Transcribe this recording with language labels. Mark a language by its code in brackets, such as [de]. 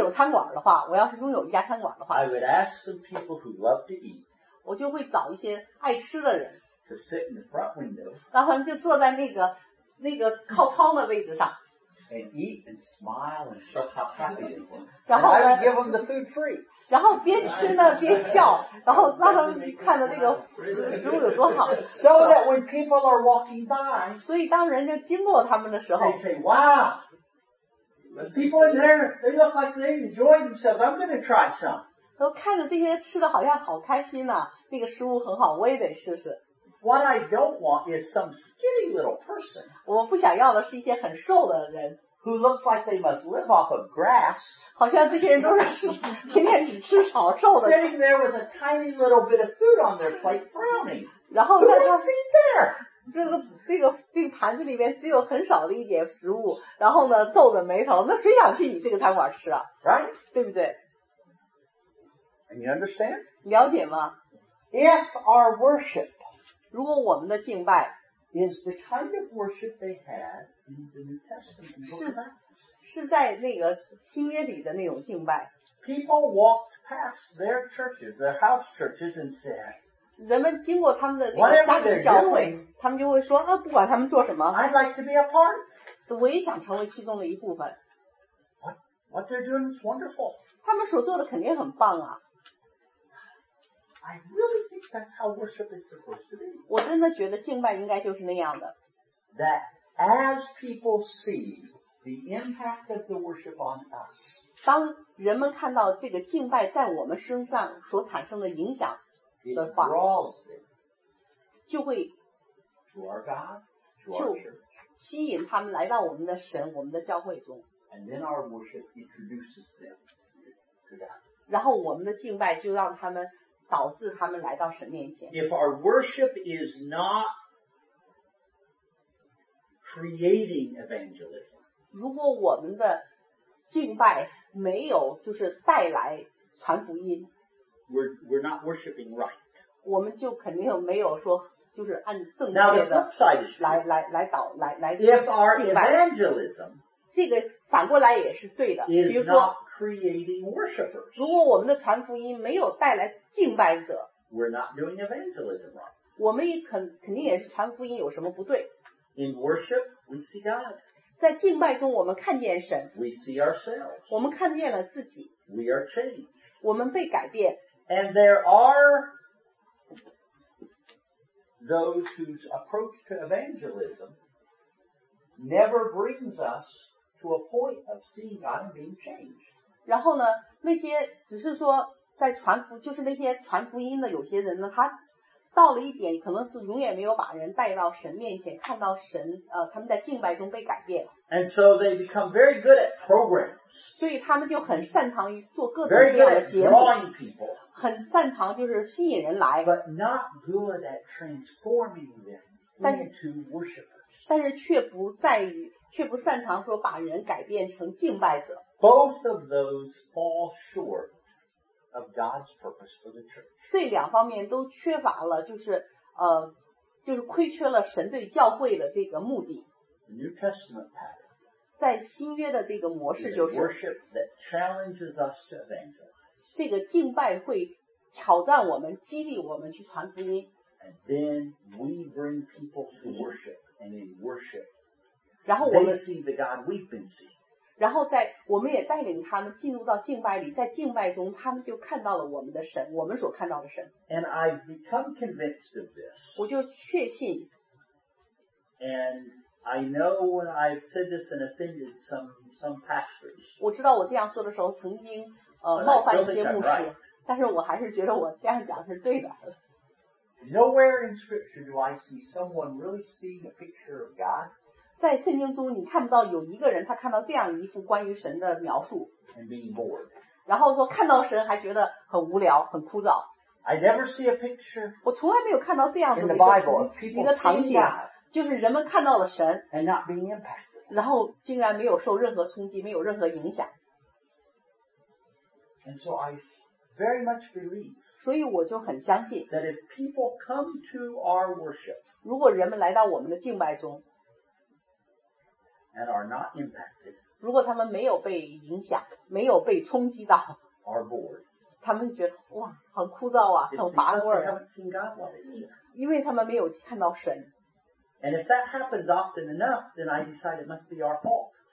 [zh] 我就常常想啊，如果我要是有餐馆的话，我要是拥有一家餐馆的话， [en] I would ask some people who love to eat, [zh] 我就会找一些爱吃的人， [en] to sit in the front window, [zh] 然后就坐在那个靠窗的位置上， [en] and eat and smile and show how happy they were. And I would give them the food free. [zh] 然后边吃呢边笑， 然后让他们看着那个食物有多好。 [en] So that when people are walking by, [zh] 所以当人家经过他们的时候， [en] they say, wow, the people in there, they look like they enjoy themselves. I'm going to try some. [zh] 都看着这些吃的好像好开心啊， 那个食物很好， 我也得试试。 [en] What I don't want is some skinny little person. [zh] 我不想要的是一些很瘦的人。 [en] Who looks like they must live off of grass. [zh] 好像这些人都是天天只吃草瘦的。 [en] Sitting there with a tiny little bit of food on their plate frowning. [zh] 然后在他, [en] who wants to eat there? [zh] 这个盘子里面只有很少的一点食物, 然后呢, 皱着眉头, 那谁想去你这个餐馆吃啊? [en] Right? [zh] 对不对? [en] And you understand? [zh] 了解吗? [en] If our worship [zh] 如果我们的敬拜 [en] is the kind of worship they had in the New Testament. [zh] 是在那个新约里的那种敬拜。 [en] People walked past their churches, their house churches, and said, [zh] 人们经过他们的那个家庭教会, 他们就会说, 啊, 不管他们做什么, [en] I'd like to be a part. [zh] 我也想成为其中的一部分。 [en] What they're doing is wonderful. [zh] 他们所做的肯定很棒啊。 [en] I really think That's how worship is supposed to be. [zh] 我真的觉得敬拜应该就是那样的。 [en] That as people see the impact of the worship on us, [zh] 当人们看到这个敬拜在我们身上所产生的影响的话， [en] it draws them [zh] 就会 [en] to our God, to our church. [zh] 吸引他们来到我们的神，我们的教会中。 [en] And then our worship introduces them to God. [zh] 然后我们的敬拜就让他们导致他们来到神面前。 [en] If our worship is not creating evangelism, [zh] 如果我们的敬拜没有就是带来传福音， [en] we're not worshiping right. [zh] 我们就肯定没有说就是按正确的来导来来。 [en] If our evangelism [zh] 这个反过来也是对的。比如说 [en] is not creating worshippers. [zh] 如果我们的传福音没有带来敬拜者， [en] we're not doing evangelism right. [zh] 我们也肯定也是传福音有什么不对。 [en] In worship, we see God. [zh] 在敬拜中我们看见神。 [en] We see ourselves. [zh] 我们看见了自己。 [en] We are changed. [zh] 我们被改变。 [en] And there are those whose approach to evangelism never brings us to a point of seeing God and being changed. [zh] 然后呢，那些只是说在传福，就是那些传福音的有些人呢，他到了一点，可能是永远没有把人带到神面前，看到神，他们在敬拜中被改变。 [en] And so they become very good at programs. [zh] 所以他们就很擅长于做各种各样的节目。 [en] Very good at drawing people. [zh] 很擅长就是吸引人来。 [en] But not good at transforming them into worshipers. [zh] 但是却不在于，却不擅长说把人改变成敬拜者。 [en] Both of those fall short of God's purpose for the church. [zh] 这两方面都缺乏了，就是亏缺了神对教会的这个目的。 [en] The New Testament pattern. [zh] 在新约的这个模式就是 [en] worship that challenges us to evangelize. [zh] 这个敬拜会挑战我们，激励我们去传福音。 [en] And then we bring people to worship, and in worship, [zh] 然后我们 [en] they see the God we've been seeing. [zh] 然后在我们也带领他们进入到敬拜里，在敬拜中他们就看到了我们的神，我们所看到的神。 [en] And I've become convinced of this. [zh] 我就确信。 [en] And I know when I've said this and offended some pastors. [zh] 我知道我这样说的时候曾经冒犯一些牧师，但是我还是觉得我这样讲是对的。 [en] Nowhere in scripture do I see someone really seeing a picture of God. [zh] 在圣经中你看不到有一个人他看到这样一幅关于神的描述 [en] and being bored. [zh] 然后说看到神还觉得很无聊很枯燥 [en] I never see a picture [zh] 我从来没有看到这样子的 [en] in the Bible, [zh] 一个场景 [en] people see God, [zh] 就是人们看到了神 [en] and not being impacted. [zh] 然后竟然没有受任何冲击没有任何影响 [en] and so I very much believe [zh] 所以我就很相信 [en] that if people come to our worship [zh] 如果人们来到我们的敬拜中 [en] And are not impacted. [zh] 如果他们没有被影响，没有被冲击到 [en] ，are bored. [zh] 他们觉得哇，很枯燥啊，很乏味。 [en] They haven't seen God while they're here. [zh] 因为他们没有看到神。 [en] And if that happens often enough, then I decide it must be our fault.